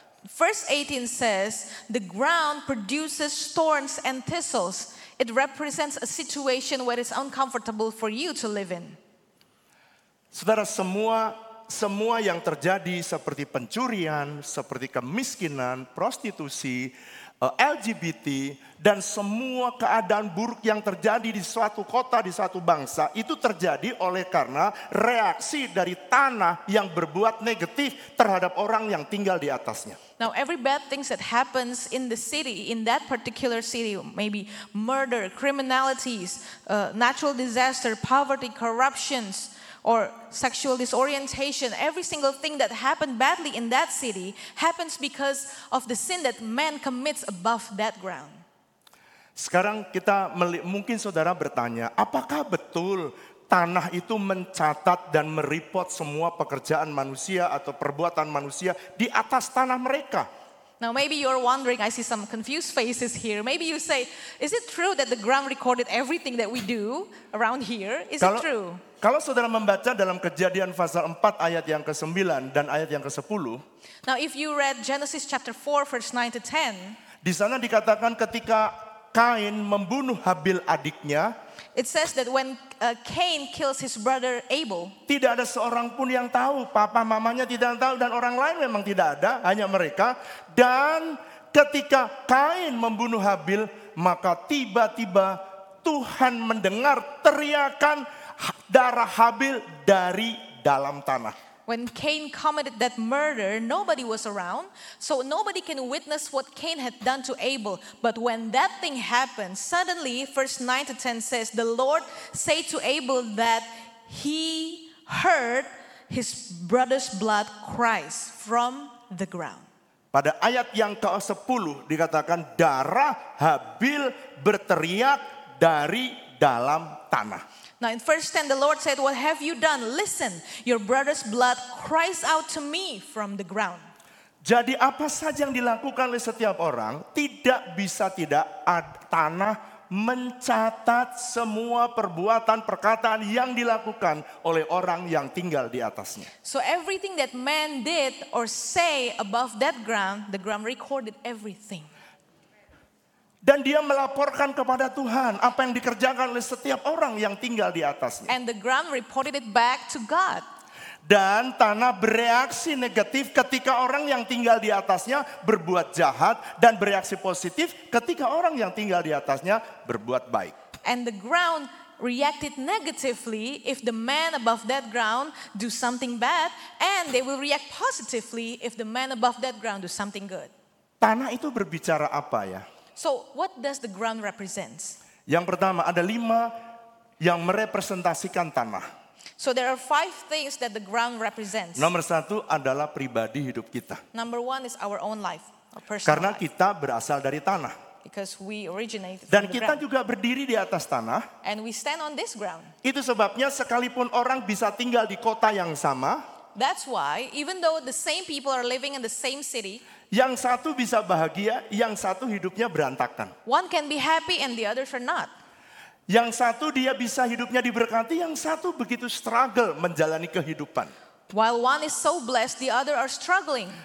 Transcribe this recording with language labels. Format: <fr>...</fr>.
<en>Verse 18 says, the ground produces thorns and thistles. It represents a situation where it's uncomfortable for you to live in.</en> <id>Saudara, semua yang terjadi seperti pencurian, seperti kemiskinan, prostitusi, LGBT, dan semua keadaan buruk yang terjadi di suatu kota, di suatu bangsa, itu terjadi oleh karena reaksi dari tanah yang berbuat negatif terhadap orang yang tinggal di atasnya.</id> <en>Now every bad things that happens in the city, in that particular city, maybe murder, criminalities, natural disaster, poverty, corruptions, or sexual disorientation, every single thing that happened badly in that city happens because of the sin that man commits above that ground.</en> <id>Sekarang kita mungkin saudara bertanya, apakah betul tanah itu mencatat dan mereport semua pekerjaan manusia atau perbuatan manusia di atas tanah mereka?</id> <en>Now maybe you're wondering, I see some confused faces here. Maybe you say, is it true that the ground recorded everything that we do around here? Is it true?</en> <id>Kalau saudara membaca dalam Kejadian pasal 4 ayat yang ke-9 dan ayat yang ke-10.</id> <en>Now if you read Genesis chapter 4 verse 9 to 10.</en> <id>Di sana dikatakan ketika Kain membunuh Habil adiknya,</id> <en>it says that when Cain kills his brother Abel,</en> <id>tidak ada seorang pun yang tahu, papa mamanya tidak tahu, dan orang lain memang tidak ada, hanya mereka. Dan ketika Kain membunuh Habil, maka tiba-tiba Tuhan mendengar teriakan darah Habil dari dalam tanah.</id> <en>When Cain committed that murder, nobody was around, so nobody can witness what Cain had done to Abel. But when that thing happened, suddenly, verse 9 to 10 says, the Lord said to Abel that he heard his brother's blood cries from the ground.</en> <id>Pada ayat yang ke-10 dikatakan darah Habil berteriak dari dalam tanah.</id> <en>Now in verse 10, the Lord said, what have you done? Listen, your brother's blood cries out to me from the ground.</en> <id>Jadi apa saja yang dilakukan oleh setiap orang, tidak bisa tidak tanah mencatat semua perbuatan, perkataan yang dilakukan oleh orang yang tinggal di atasnya.</id> <en>So everything that man did or say above that ground, the ground recorded everything.</en> <id>Dan dia melaporkan kepada Tuhan apa yang dikerjakan oleh setiap orang yang tinggal di atasnya.</id> <en>And the ground reported it back to God.</en> <id>Dan tanah bereaksi negatif ketika orang yang tinggal di atasnya berbuat jahat dan bereaksi positif ketika orang yang tinggal di atasnya berbuat baik.</id> <en>And the ground reacted negatively if the man above that ground do something bad, and they will react positively if the man above that ground do something good.</en> <id>Tanah itu berbicara apa ya?</id> <en>So what does the ground represent?</en> <id>Yang pertama ada 5 yang merepresentasikan tanah.</id> <en>So there are 5 things that the ground represents.</en> <id>Nomor 1 adalah pribadi hidup kita.</id> <en>Number 1 is our own life, our personal.</en> <id>Karena kita berasal dari tanah.</id> <en>Because we originated from the ground.</en> <id>Dan kita juga berdiri di atas tanah.</id> <en>And we stand on this ground.</en> <id>Itu sebabnya sekalipun orang bisa tinggal di kota yang sama.</id> <en>That's why even though the same people are living in the same city,</en> <id>yang satu bisa bahagia, yang satu hidupnya berantakan.</id> <en>One can be happy and the others are not.</en> <id>Yang satu dia bisa hidupnya diberkati, yang satu begitu struggle menjalani kehidupan.</id> <en>While one is so blessed, the other are struggling.</en>